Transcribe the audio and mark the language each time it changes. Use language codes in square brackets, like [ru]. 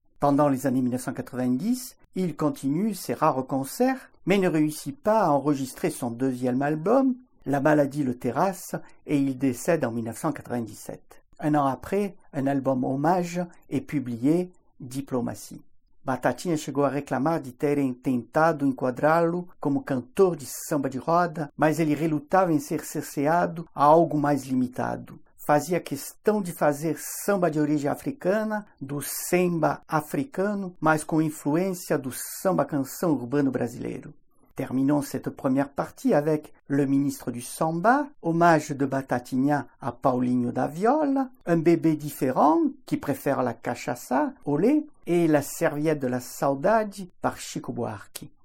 [fr] Pendant les années 1990, il continue ses rares concerts, mais ne réussit pas à enregistrer son deuxième album, La maladie le terrasse, et il décède en 1997. Un an après, un album hommage est publié, Diplomatie. [pt] Batatinha chegou a reclamar de terem tentado enquadrá-lo como cantor de samba de roda, mas ele relutava em ser cerceado a algo mais limitado. Fazia questão de fazer samba de origem africana, do semba africano, mas com influência do samba-canção urbano brasileiro. [fr] Terminons cette première partie avec Le ministre du samba, hommage de Batatinha à Paulinho da Viola, Un bébé différent, qui préfère la cachaça au lait, et La serviette de la saudade par Chico Buarque.